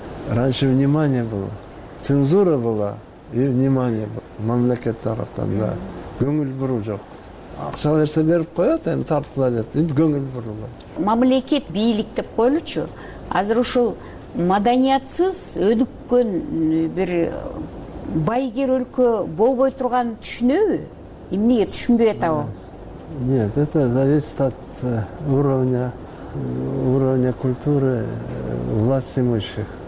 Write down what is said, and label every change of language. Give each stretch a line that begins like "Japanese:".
Russian: Раньше внимание было, цензура была и внимание было.
Kyrgyz: Мамлекет тараптан да, көңүл буруу жок. Акча берсе берип коет, эми тарткыла деп, эми көңүл бурулат. Мамлекет бийлик деп коелучу, азыр ушул маданиятсыз өнүккөн бир байгер өлкө болбой турганын түшүнөбү? Эмнеге түшүнбөй атабы?
Russian: Нет, это зависит от уровня культуры власть имущих.